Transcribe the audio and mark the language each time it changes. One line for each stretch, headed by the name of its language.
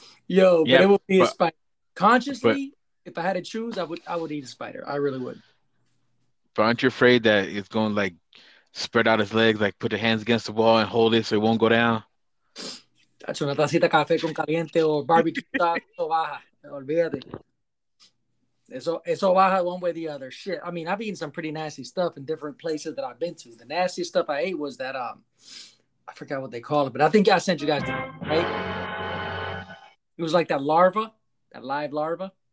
English: Yo, but yeah, it would be a spider. Consciously, but, if I had to choose, I would eat a spider. I really would. But aren't you afraid that it's going to like spread out its legs, like put the hands against the wall and hold it so it won't go down?
Spanish: Tacho, una tacita de café con caliente o barbecue, eso baja. Olvídate. Eso baja
English: one way or the other. Shit. I mean, I've eaten some pretty nasty stuff in different places that I've been to. The nastiest stuff I ate was that I forgot what they call it, but I think I sent you guys the right. It was like that larva, that live larva.